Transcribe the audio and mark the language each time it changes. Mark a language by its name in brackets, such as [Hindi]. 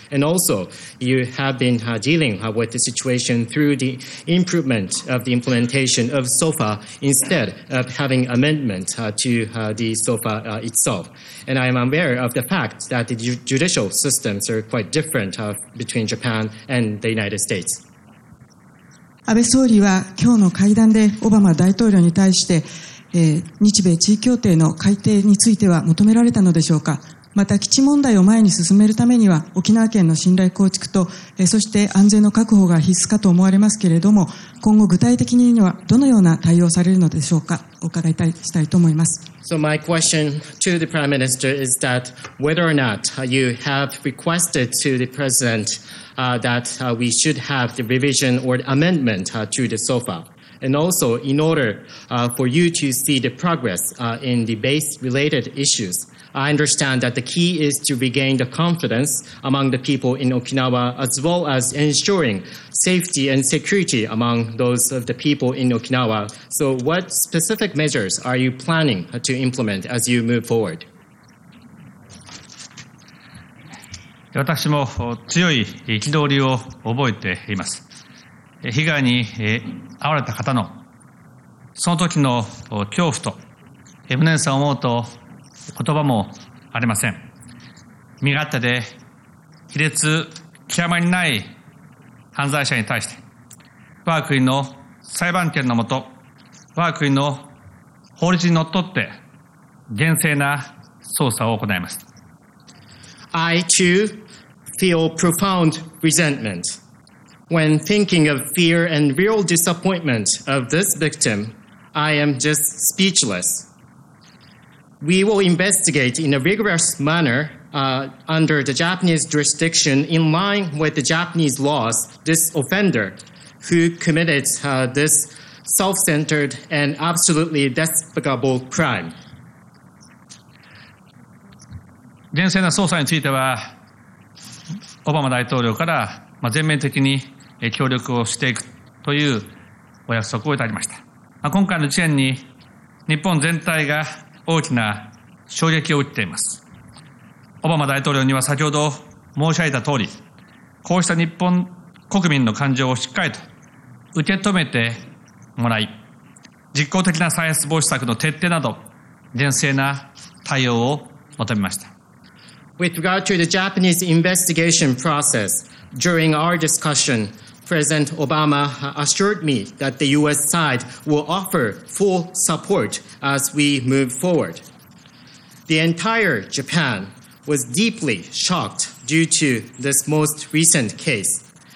[English] And also, you have been dealing with the situation through the improvement of the implementation of SOFA instead of having amendment to the SOFA itself. And I am aware of the fact that the judicial systems are quite different between Japan and the United States. [Japanese] 安倍総理は今日の会談でオバマ大統領に対して、日米地位協定の改定については求められたのでしょうか。また基地問題を前に進めるためには沖縄県の信頼構築と、そして安全の確保が必須かと思われますけれども、今後具体的にはどのような対応されるのでしょうか。お伺いしたいと思います。 [English] So my question to the Prime Minister is that whether or not you have requested to the President that we should have the revision or amendment to the SOFA, and also in order for you to see the progress in the base-related issues. I understand that the key is to regain the confidence among the people in Okinawa, as well as ensuring safety and security among those of the people in Okinawa. So what specific measures are you planning to implement as you move forward? [Japanese] 私も強い憤りを覚えています。被害に遭われた方のその時の恐怖と無念さを思うと言葉もありません。身勝手で卑劣極まりない犯罪者に対して、我が国の裁判権のもと、我が国の法律にのっとって厳正な捜査を行います。 [English] I too feel profound resentment when thinking of fear and real disappointment of this victim. I am just speechlessWe will investigate in a rigorous manner under the Japanese jurisdiction, in line with the Japanese laws, this offender who committed this self-centered and absolutely despicable crime. [Japanese] 厳正な捜査についてはオバマ大統領から全面的に協力をしていくというお約束をいただきました。今回の事件に日本全体が大きな衝撃を受けています。オバマ大統領には先ほど申し上げた通り、こうした日本国民の感情をしっかりと受け止めてもらい、実効的な再発防止策の徹底など厳正な対応を求めました。 [English] With regard to the Japanese investigation process, during our discussionPresident Obama assured me that the U.S. side will offer full support as we move forward. The entire Japan was deeply shocked due to this most recent case.